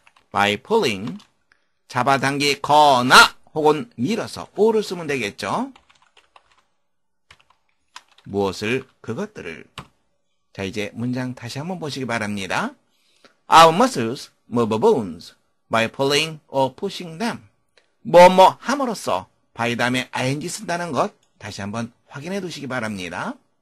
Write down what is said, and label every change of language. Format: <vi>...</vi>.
<en>by pulling</en> <ko>잡아당기거나 혹은 밀어서 or를 쓰면 되겠죠. 무엇을 그것들을 자, 이제 문장 다시 한번 보시기 바랍니다.</ko> <en>Our muscles move bones by pulling or pushing them.</en> <ko>뭐뭐 함으로써 by 다음에 ing 쓴다는 것 다시 한번 확인해 두시기 바랍니다.</ko>